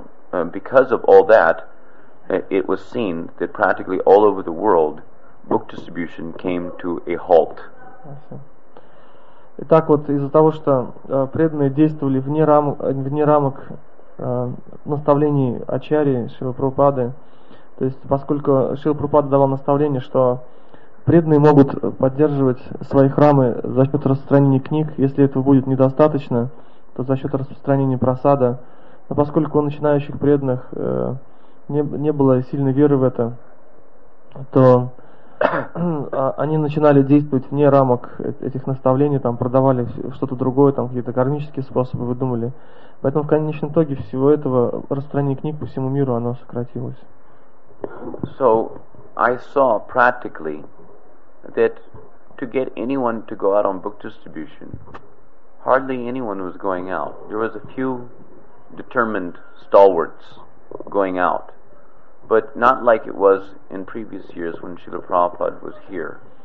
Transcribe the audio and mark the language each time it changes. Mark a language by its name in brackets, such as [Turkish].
[English] Because of all that, it was seen that practically all over the world, book distribution came to a halt. [Russian] Итак, вот из-за того, что преданные действовали вне рамок наставлений Ачарьи Шрилы Прабхупады, то есть поскольку Шрила Прабхупада давал наставление, что преданные могут поддерживать свои храмы за счет распространения книг, если этого будет недостаточно, то за счет распространения просада. Но поскольку у начинающих преданных не было сильной веры в это, то они начинали действовать вне рамок этих наставлений, там продавали что-то другое, там какие-то кармические способы выдумали. Поэтому в конечном итоге всего этого распространение книг по всему миру оно сократилось. [English] So I saw practically that to get anyone to go out on book distribution, hardly anyone was going out. There was a few determined stalwarts going out, but not like it was in previous years when Srila Prabhupada was here.